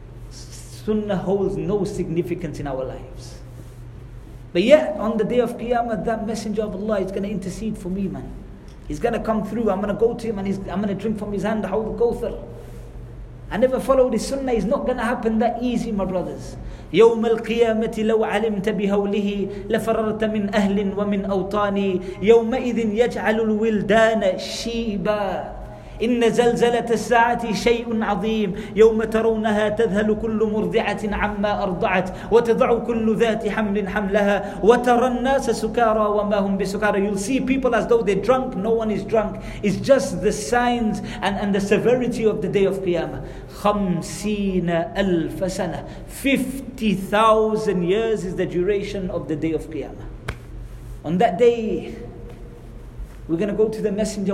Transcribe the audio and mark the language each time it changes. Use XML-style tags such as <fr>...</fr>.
<en>Sunnah holds no significance in our lives. But yet, on the day of Qiyamah, that messenger of Allah is going to intercede for me, man. He's going to come through. I'm going to go to him and I'm going to drink from his hand, Hawd al-Kawthar. I never followed his sunnah. It's not going to happen that easy, my brothers.</en> <ar>يوم القيامة لو علمت بهوله لفررت من أهل ومن أوطاني يومئذ يجعل الولدان شيبا إن زلزلة الساعة شيء عظيم يوم ترونها تذهل كل مرضعة عما أرضعت وتضع كل ذات حمل حملها وترى الناس سكارى وما هم بسكارى.</ar> <en>You'll see people as though they're drunk. No one is drunk. It's just the signs and the severity of the day of Qiyamah.</en> <ar>50,000 سنة.</ar> <en>50,000 years is the duration of the day of Qiyamah. On that day, we're going to go to the messenger.</en>